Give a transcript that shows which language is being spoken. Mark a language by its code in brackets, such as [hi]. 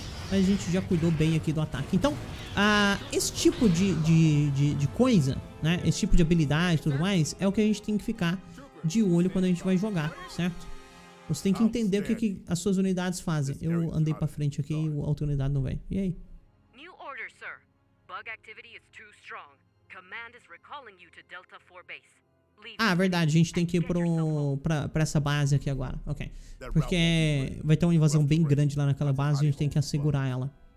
[pt] A gente já cuidou bem aqui do ataque. Então, esse tipo de coisa, né? Esse tipo de habilidade e tudo mais, é o que a gente tem que ficar de olho quando a gente vai jogar, certo? Você tem que entender o que, que as suas unidades fazem. Eu andei pra frente aqui e a outra unidade não vem. E aí? [en] New order, sir. Bug activity is too strong. Command is recalling you to Delta 4 base. [pt] Ah, verdade, a gente tem que ir pra essa base aqui agora, ok. Porque vai ter uma invasão bem grande lá naquela base e a gente tem que assegurar ela.